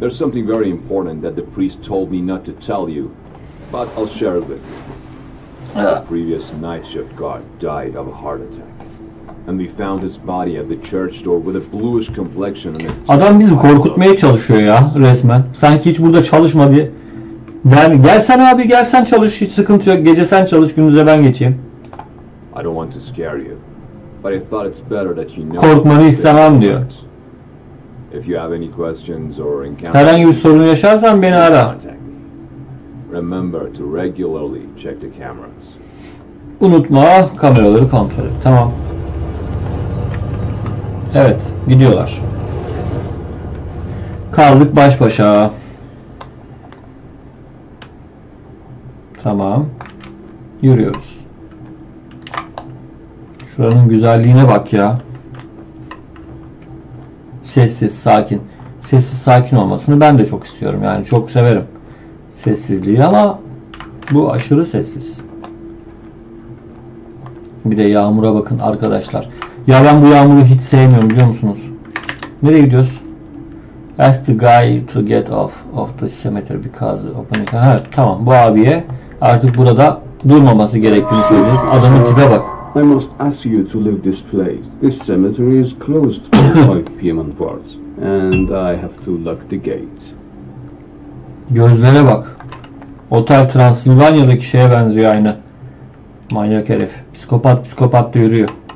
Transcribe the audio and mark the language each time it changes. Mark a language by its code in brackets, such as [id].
[en] There's something very important that the priest told me not to tell you, but I'll share it with you. The previous night shift guard died of a heart attack, and we found his body at the church door with a bluish complexion. [tr] Adam bizi korkutmaya çalışıyor ya, resmen. Sanki hiç burada çalışma diye. Ben gelsen abi, gelsen çalış, hiç sıkıntı yok. Gece sen çalış, gündüze ben geçeyim. [en] I don't want to scare you, but I thought it's better that you know. [tr] Korkmanı istemem diyor. [en] If you have any questions or [tr] herhangi bir sorun yaşarsan beni ara. [en] Remember to regularly check the cameras. [tr] Unutma, kameraları kontrol et. Tamam. Evet, gidiyorlar. Kaldık baş başa. Tamam. Yürüyoruz. Şuranın güzelliğine bak ya. Sessiz, sakin. Sessiz, sakin olmasını ben de çok istiyorum. Yani çok severim sessizliği ama bu aşırı sessiz. Bir de yağmura bakın arkadaşlar. Ya ben bu yağmuru hiç sevmiyorum, biliyor musunuz? Nereye gidiyoruz? [en] Ask the guy to get off of the cemetery because of panic. [tr] Ha, tamam, bu abiye artık burada durmaması gerektiğini söyleyeceğiz. Adamın tipe bak. [en] I must ask you to leave this place. This cemetery is closed for 5 PM onwards, and I have to lock the gate. [tr] Gözlere bak. Otel Transilvanya'daki şeye benziyor aynı. Manyak herif. Psikopat psikopat da yürüyor.